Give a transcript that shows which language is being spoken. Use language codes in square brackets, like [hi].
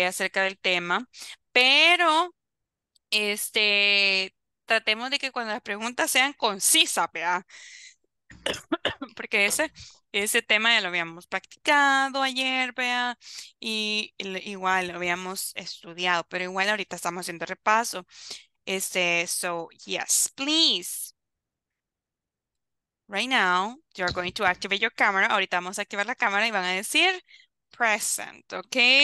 [es] Acerca del tema, pero tratemos de que cuando las preguntas sean concisas, ¿verdad? Porque ese tema ya lo habíamos practicado ayer, ¿verdad? Y igual lo habíamos estudiado, pero igual ahorita estamos haciendo repaso. [en] So, yes, please. Right now, you're going to activate your camera. [es] Ahorita vamos a activar la cámara y van a decir present, ¿ok?